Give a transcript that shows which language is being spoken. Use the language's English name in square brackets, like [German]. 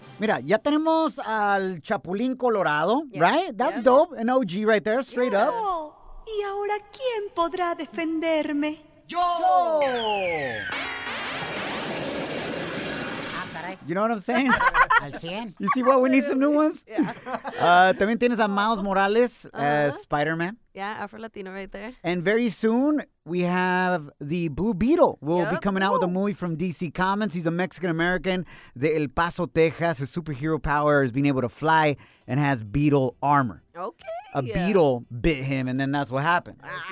[Spanish] Mira, ya tenemos al Chapulín Colorado, [English] yeah. Right? That's yeah. Dope. An OG right there, straight up. [Spanish] ¿Y ahora quién podrá defenderme? ¡Yo! [English] You know what I'm saying? [Spanish] Al 100. [English] You see what? We need some new ones. Yeah. [Spanish] También tienes a Miles Morales as Spider-Man. [English] Yeah, Afro-Latino right there. And very soon, we have the Blue Beetle. We'll be coming out with a movie from DC Comics. He's a Mexican-American. De El Paso, Texas. His superhero power is being able to fly and has beetle armor. Okay. A beetle bit him, and then that's what happened.